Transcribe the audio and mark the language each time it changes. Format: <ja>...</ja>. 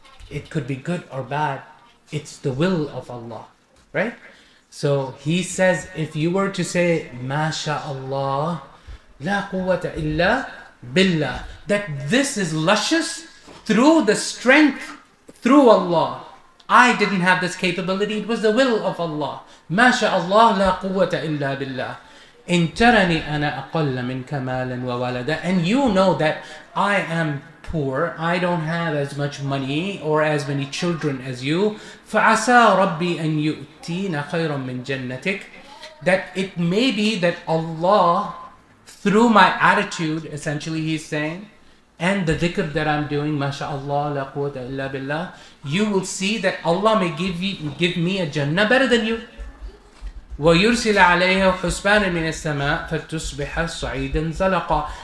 <en>It could be good or bad. It's the will of Allah, right? So he says, if you were to say, MashaAllah, La quwwata illa billah, that this is luscious through the strength, through Allah. I didn't have this capability. It was the will of Allah.</en> <ar>ما شاء الله لا قوة إلا بالله. إن ترني أنا أقل من كمالا وولدا.</ar> <en>And you know that I am poor. I don't have as much money or as many children as you.</en> <ar>فعسى ربي أن يؤتينا خيرا من جنتك.</ar> <en>That it may be that Allah, through my attitude, essentially he's saying, and the dhikr that I'm doing, mashallah, la quwwata illa billah, you will see that Allah may give me a jannah better than you.</en> <ar>وَيُرْسِلَ عَلَيْهَا حُسْبَانًا مِنَ السَّمَاءِ فَتُصْبِحَ صَعِيدًا زَلَقًا.</ar>